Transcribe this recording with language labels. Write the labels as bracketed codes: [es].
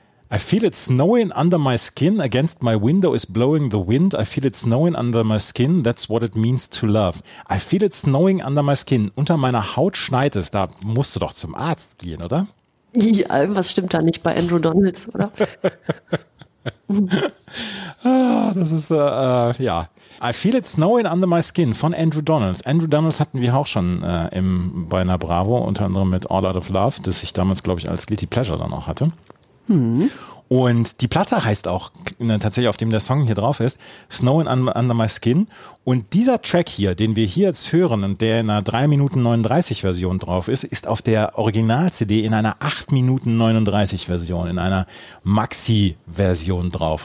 [en] I feel it snowing under my skin, against my window is blowing the wind. I feel it snowing under my skin, that's what it means to love. I feel it snowing under my skin, [de] unter meiner Haut schneit es, da musst du doch zum Arzt gehen, oder? Ja, was stimmt da nicht bei Andrew Donalds, oder? Das ist, ja. [en] I feel it snowing under my skin von Andrew Donalds. [de] Andrew Donalds hatten wir auch schon bei einer Bravo, unter anderem mit All Out of Love, das ich damals, glaube ich, als Guilty Pleasure dann auch hatte. Und die Platte heißt auch, ne, tatsächlich auf dem der Song hier drauf ist, Snowin' Under My Skin. Und dieser Track hier, den wir hier jetzt hören und der in einer 3 Minuten 39 Version drauf ist, ist auf der Original-CD in einer 8 Minuten 39 Version, in einer Maxi-Version drauf.